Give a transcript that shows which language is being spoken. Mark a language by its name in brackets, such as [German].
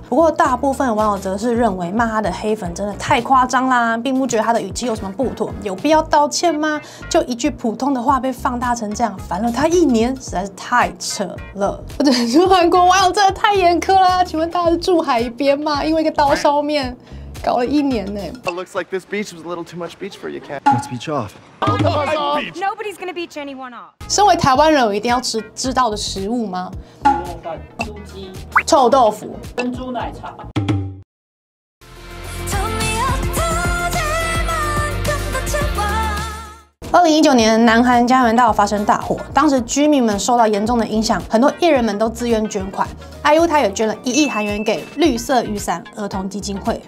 [Chinese] 不过大部分网友则是认为骂他的黑粉真的太夸张啦，并不觉得他的语气有什么不妥，有必要道歉吗？就一句普通的话被放大成这样，烦了他一年，实在是太扯了。我只能说韩国网友真的太严苛啦，请问他是住海边吗？因为一个刀削面。搞了一年呢。 [English] It looks like this beach was a little too much beach for you, Ken. Let's beach off. Nobody's gonna beach anyone off. [Chinese] 身为台湾人，我一定要吃知道的食物吗？牛肉饭、猪鸡、臭豆腐、珍珠奶茶。 2019年南韩江原道发生大火，当时居民们受到严重的影响，很多艺人们都自愿捐款， IU 他也捐了1亿韩元给绿色雨伞儿童基金会。